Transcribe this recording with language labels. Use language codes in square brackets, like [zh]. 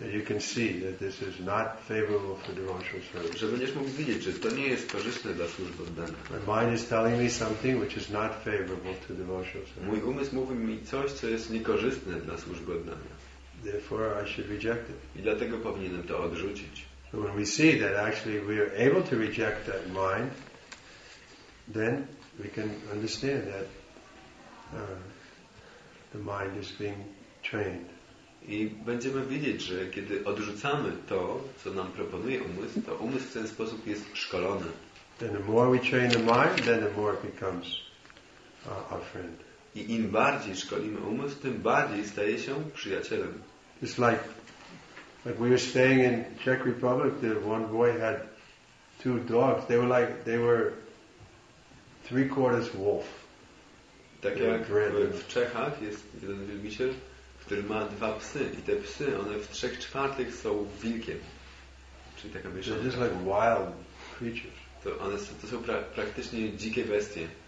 [en] And you can see that this is not favorable for devotional service. [pl] Że będziesz mógł widzieć, że to nie jest korzystne dla służby oddania. [en] My mind is telling me something which is not favorable to devotional service. [pl] Mój umysł mówi mi coś, co jest niekorzystne dla służby oddania. [en] Therefore, I should reject it. [pl] I dlatego powinienem to odrzucić. [en] So when we see that actually we are able to reject that mind, then we can understand that. The mind is being trained. [pl] I będziemy widzieć, że kiedy odrzucamy to, co nam proponuje umysł, to umysł w ten sposób jest szkolony. [en] Then the more we train the mind, then the more it becomes our friend. [pl] I im bardziej szkolimy umysł, tym bardziej staje się przyjacielem. [en] It's like we were staying in Czech Republic. The one boy had two dogs. They were 3/4 wolf. [pl] Tak jak w Czechach jest jeden wielbiciel, który ma dwa psy i te psy, one w 3/4 są wilkiem. Czyli taka mieszanka. [en] They're just like wild creatures. [pl] To są praktycznie dzikie bestie.